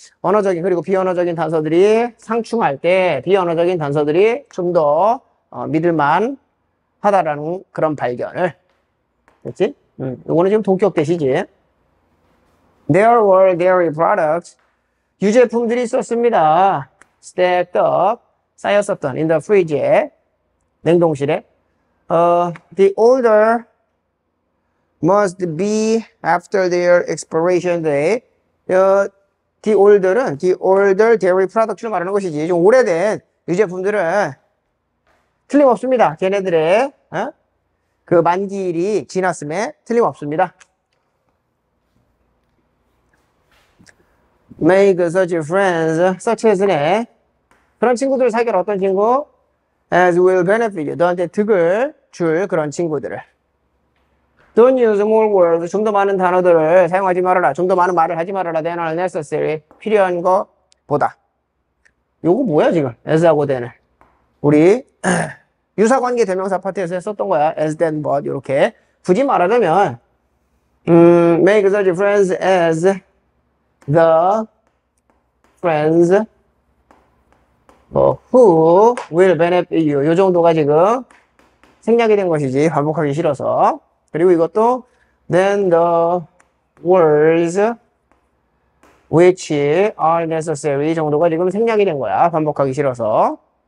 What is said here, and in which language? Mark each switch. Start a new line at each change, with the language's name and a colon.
Korean: 언어적인 그리고 비언어적인 단서들이 상충할 때 비언어적인 단서들이 좀더 믿을 만하다라는 그런 발견을. 그렇지? 이거는 지금 동격 대시지.
English: There were dairy products.
Korean: 유제품들이 있었습니다.
English: Stacked up.
Korean: 쌓였었던
English: in the fridge에.
Korean: 냉동실에.
English: The older must be after their expiration date. The older dairy products를
Korean: 말하는 것이지. 좀 오래된 유제품들은 틀림없습니다. 걔네들의 그 만기일이 지났음에 틀림없습니다.
English: Make such friends, such as네.
Korean: 그런 친구들을 사귈 어떤 친구?
English: As will benefit you.
Korean: 너한테 득을 줄 그런 친구들을.
English: Don't use more words.
Korean: 좀더 많은 단어들을 사용하지 말아라. 좀더 많은 말을 하지 말아라.
English: Than are necessary.
Korean: 필요한 것보다. 요거 뭐야, 지금? As하고 than을. 우리 유사관계 대명사 파트에서 했었던 거야. As, than, but. 요렇게. 굳이 말하자면,
English: make such friends as the friends who will benefit you.
Korean: 요 정도가 지금 생략이 된 것이지. 반복하기 싫어서. 그리고 이것도
English: then the words which are necessary
Korean: 정도가 지금 생략이 된 거야. 반복하기 싫어서.